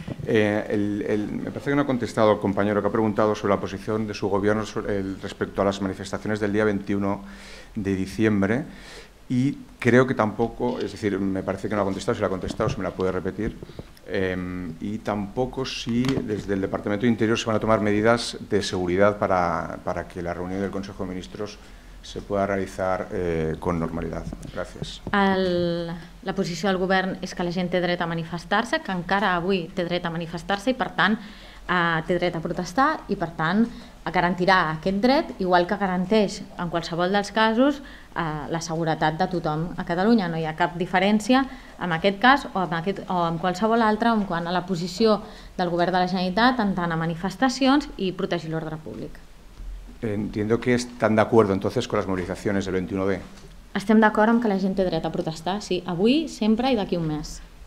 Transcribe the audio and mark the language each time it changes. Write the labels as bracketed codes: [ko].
[es] Me parece que no ha contestado el compañero que ha preguntado sobre la posición de su gobierno respecto a las manifestaciones del día 21 de diciembre y creo que tampoco, es decir, me parece que no ha contestado, si la ha contestado se me la puede repetir, y tampoco si desde el Departamento de Interior se van a tomar medidas de seguridad para que la reunión del Consejo de Ministros se pueda realizar con normalidad. Gracias. [ca] La posició del govern és que la gent té dret a manifestar-se, que encara avui té dret a manifestar-se i, per tant, té dret a protestar i, per tant, garantirà aquest dret, igual que garanteix, en qualsevol dels casos, la seguretat de tothom a Catalunya. No hi ha cap diferència en aquest cas o en qualsevol altre en quant a la posició del govern de la Generalitat en tant a manifestacions i protegir l'ordre públic. [es] Entiendo que están de acuerdo entonces con las movilizaciones del 21D. [ca] Estem d'acord amb que la gent té dret a protestar, sí, avui, sempre i d'aquí un mes.